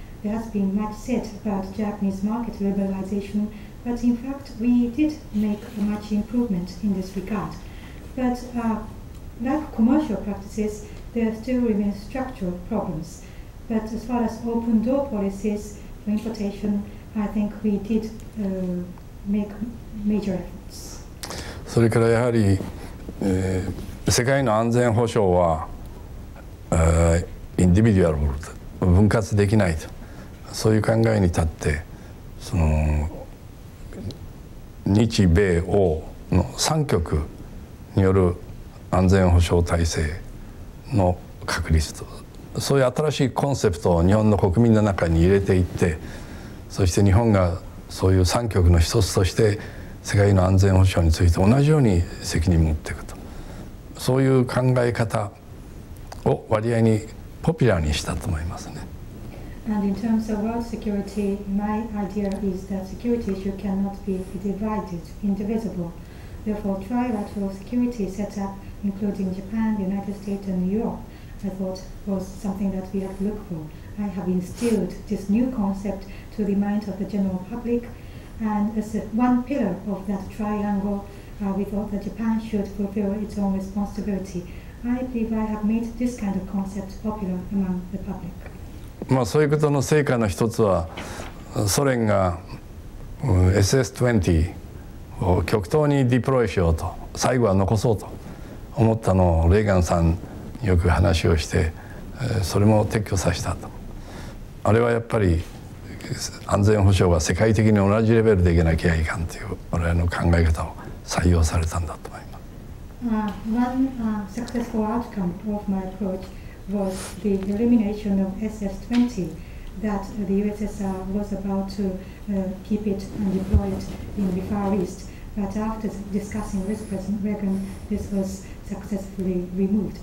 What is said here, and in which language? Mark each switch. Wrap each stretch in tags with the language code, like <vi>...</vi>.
<en>There has been much said about Japanese market liberalization, but in fact, we did make much improvement in this regard. But like commercial practices, there still remain structural problems. But as far as open door policies for importation, I think we did make major efforts.</en> <ja>それからやはり、世界の安全保障は、インディビデュアル、分割できないと、そういう考えに立って、その日米欧の3極による安全保障体制の確立と、そういう新しいコンセプトを日本の国民の中に入れていって、そして日本がそういう3極の一つとして世界の安全保障について同じように責任を持っていくと、そういう考え方を割合にポピュラーにしたと思いますね。</ja> <en>And in terms of world security, my idea is that security issue cannot be divided, indivisible. Therefore, trilateral security set up, including Japan, the United States and Europe, I thought was something that we have to look for. I have instilled this new concept to the mind of the general publicAnd as one pillar of that triangle, we thought that Japan should fulfill its own responsibility. I believe I have made this kind of concept popular among the public.</en> <ja>まあそういうことの成果の一つは、ソ連が SS-20 を極東にディプロイしようと、最後は残そうと思ったのをレーガンさんによく話をして、それも撤去させたと。あれはやっぱり、安全保障は世界的に同じレベルでいけなきゃいかんという我々の考え方を採用されたんだと思います。</ja> <en>One successful outcome of my approach was the elimination of SS-20 that the USSR was about to keep it and deploy it in the Far East, but after discussing with President Reagan, this was successfully removed.</en>